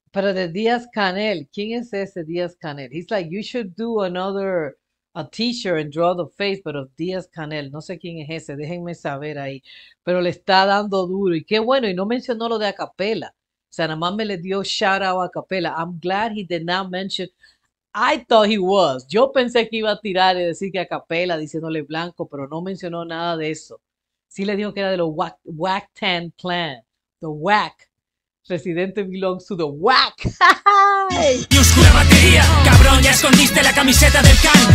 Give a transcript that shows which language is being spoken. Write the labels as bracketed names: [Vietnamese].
[Spanish] Pero de Díaz Canel, ¿quién es ese Díaz Canel? [English] He's like, you should do another a t-shirt and draw the face, [Spanish] pero Díaz Canel, no sé quién es ese, déjenme saber ahí. Pero le está dando duro, y qué bueno, y no mencionó lo de Acapella. O sea, nada más me le dio shout out a Acapella. [English] I'm glad he did not mention, I thought he was. [Spanish] Yo pensé que iba a tirar y decir que Acapella, diciéndole blanco, pero no mencionó nada de eso. Sí le dijo que era de los Wu-Tang Clan, the Wack. [English] Residente belongs to the Wack. [Spanish] Y oscura batería. Cabrón, ya escondiste la camiseta del Khan.